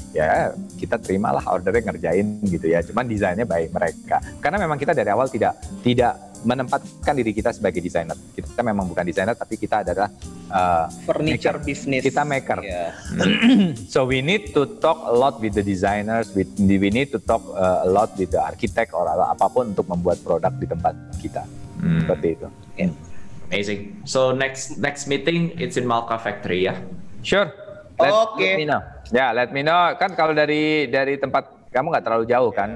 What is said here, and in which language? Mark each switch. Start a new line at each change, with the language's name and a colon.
Indonesian: Ya kita terimalah ordernya ngerjain gitu ya. Cuman desainnya baik mereka. Karena memang kita dari awal tidak menempatkan diri kita sebagai desainer. Kita memang bukan desainer, tapi kita adalah
English: furniture maker. Business.
Indonesian: Kita maker. Yeah.
English: So we need to talk a lot with the designers. We need to talk a lot with the architect or
Indonesian: apapun untuk membuat produk di tempat kita. Seperti itu.
English: Amazing. So next meeting it's in Malka Factory ya. Sure. Let me know. Yeah, let me know.
Indonesian: Kan kalau dari tempat kamu nggak terlalu jauh kan.